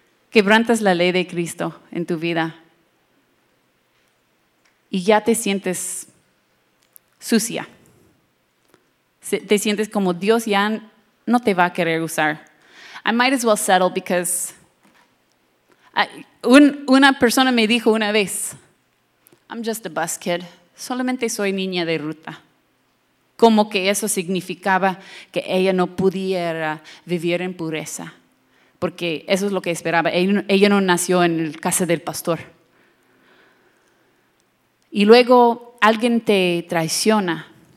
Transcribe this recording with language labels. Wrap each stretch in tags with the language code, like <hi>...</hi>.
<es>Quebrantas la ley de Cristo en tu vida. Y ya te sientes sucia. Te sientes como Dios ya no te va a querer usar.</es> <en>I might as well settle because</en> <es>una persona me dijo una vez,</es> <en>I'm just a bus kid.</en> <es>Solamente soy niña de ruta. Como que eso significaba que ella no pudiera vivir en pureza. Porque eso es lo que esperaba. Ella no nació en la casa del pastor. Y luego alguien te traiciona.</es>